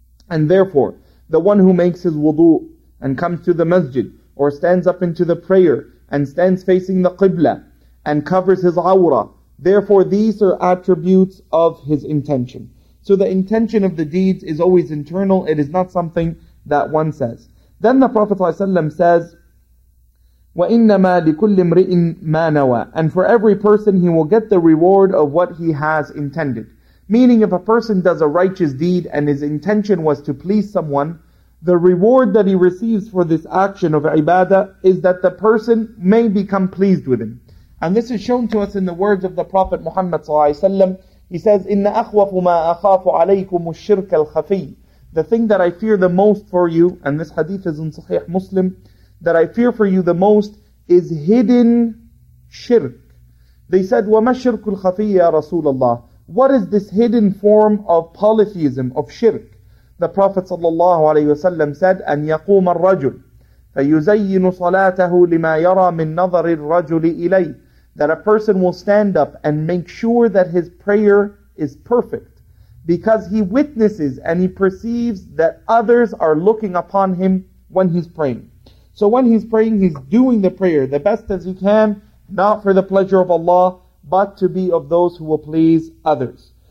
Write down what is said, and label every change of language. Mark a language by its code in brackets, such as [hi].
[en] And therefore, the one who makes his wudu and comes to the masjid, or stands up into the prayer and stands facing the qibla and covers his awra, therefore these are attributes of his intention. So the intention of the deeds is always internal. It is not something that one says. Then the Prophet ﷺ says, [ar] وَإِنَّمَا لِكُلِّ امْرِئٍ مَا نَوَى. [en] And for every person, he will get the reward of what he has intended. Meaning, if a person does a righteous deed and his intention was to please someone, the reward that he receives for this action of ibadah is that the person may become pleased with him. And this is shown to us in the words of the Prophet Muhammad ﷺ. He says, [ar] إِنَّ أَخْوَفُ مَا أَخَافُ عَلَيْكُمُ الشِّرْكَ الْخَفِيِّ. [en] The thing that I fear the most for you, and this hadith is in Sahih Muslim, that I fear for you the most is hidden shirk. They said, [ar] وَمَا الشِّرْكُ الْخَفِيِّ يَا رَسُولَ اللَّهِ. [en] What is this hidden form of polytheism, of shirk? The Prophet ﷺ said, [ar] أَنْ يَقُومَ الرَّجُلِ فَيُزَيِّنُ صَلَاتَهُ لِمَا يَرَى مِنْ نَظَرِ الرَّجُلِ إِلَيْهِ. [en] That a person will stand up and make sure that his prayer is perfect, because he witnesses and he perceives that others are looking upon him when he's praying. So when he's praying, he's doing the prayer the best as he can, not for the pleasure of Allah, but to be of those who will please others.